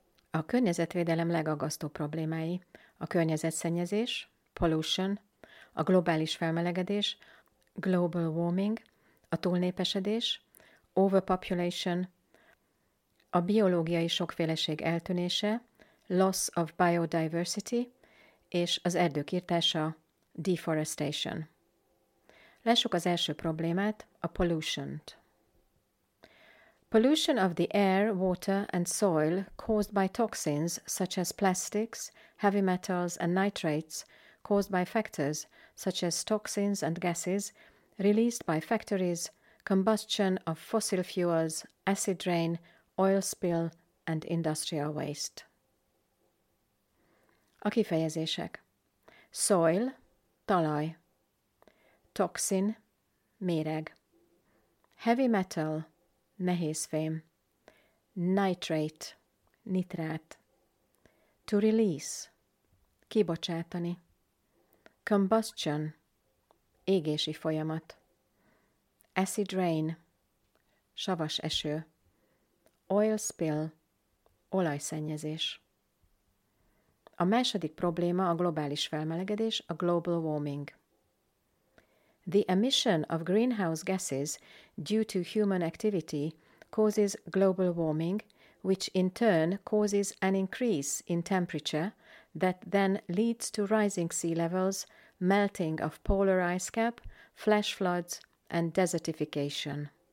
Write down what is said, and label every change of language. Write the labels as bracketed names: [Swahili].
[Hungarian] A környezetvédelem legaggasztóbb problémái a környezetszennyezés, pollution, a globális felmelegedés, global warming, a túlnépesedés, overpopulation, a biológiai sokféleség eltűnése, loss of biodiversity, és az erdők irtása, deforestation. Lássuk az első problémát, a pollution-t. [English] Pollution of the air, water and soil caused by toxins such as plastics, heavy metals and nitrates caused by factors such as toxins and gases released by factories, combustion of fossil fuels, acid rain, oil spill, and industrial waste. [Hungarian] A kifejezések. Soil, talaj. Toxin, méreg. Heavy metal, nehéz fém. Nitrate, nitrát. To release, kibocsátani. Combustion, égési folyamat. Acid rain, savas eső. Oil spill, olajszennyezés. A második probléma a globális felmelegedés, a global warming. [English] The emission of greenhouse gases due to human activity causes global warming, which in turn causes an increase in temperature that then leads to rising sea levels, melting of polar ice cap, flash floods, and desertification.